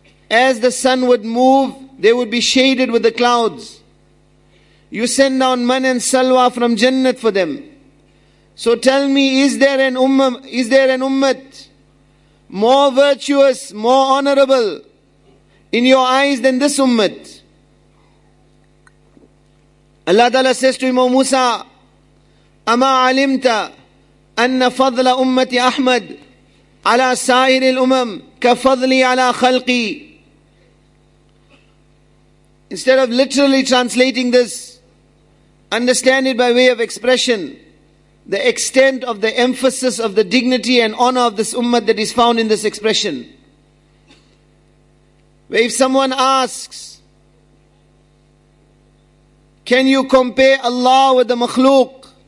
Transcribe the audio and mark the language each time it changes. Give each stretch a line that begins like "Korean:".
English: As the sun would move, they would be shaded with the clouds. You send down man and salwa from Jannat for them. So tell me, is there an ummah more virtuous, more honorable in your eyes than this ummah? Allah Ta'ala says to him, O Musa,
Arabic: أَمَا عَلِمْتَ أَنَّ فَضْلَ أُمَّةِ أَحْمَدْ عَلَى سَائِرِ الْأُمَمِ كَفَضْلِي عَلَى خَلْقِي.
English: Instead of literally translating this, understand it by way of expression, the extent of the emphasis of the dignity and honor of this ummah that is found in this expression. Where if someone asks, can you compare Allah with the makhluk?